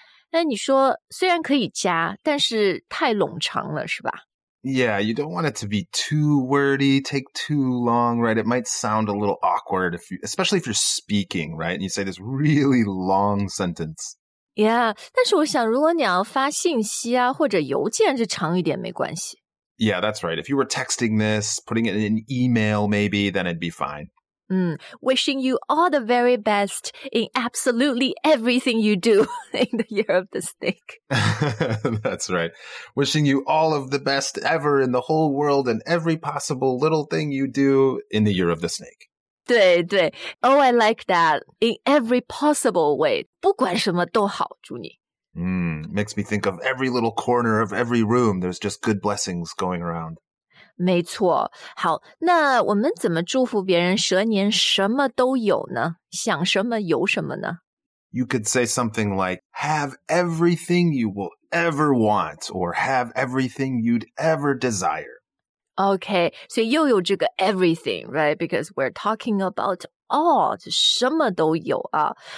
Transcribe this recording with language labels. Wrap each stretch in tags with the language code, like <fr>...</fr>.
<zh>那你说虽然可以加，但是太冗长了是吧？</zh> <en>Yeah, you don't want it to be too wordy, take too long, right? It might sound a little awkward, especially if you're speaking, right? And you say this really long sentence.</en> <zh>Yeah, 但是我想如果你要发信息啊或者邮件是长一点没关系。</zh> <en>Yeah, that's right. If you were texting this, putting it in an email maybe, then it'd be fine. Wishing you all the very best in absolutely everything you do in the year of the snake. That's right. Wishing you all of the best ever in the whole world and every possible little thing you do in the year of the snake.</en> <zh>对对</zh> <en>，Oh, I like that in every possible way.</en> <zh>不管什么都好，祝你。</zh> <en>Makes me think of every little corner of every room. There's just good blessings going around.</en> <zh>没错。好，那我们怎么祝福别人蛇年什么都有呢？想什么有什么呢</zh> <en>？You could say something like, "Have everything you will ever want," or "Have everything you'd ever desire." Okay, so</en> <zh>又有这个</zh> <en>everything, right? Because we're talking about all,</en> <zh>就什么都有啊。</zh>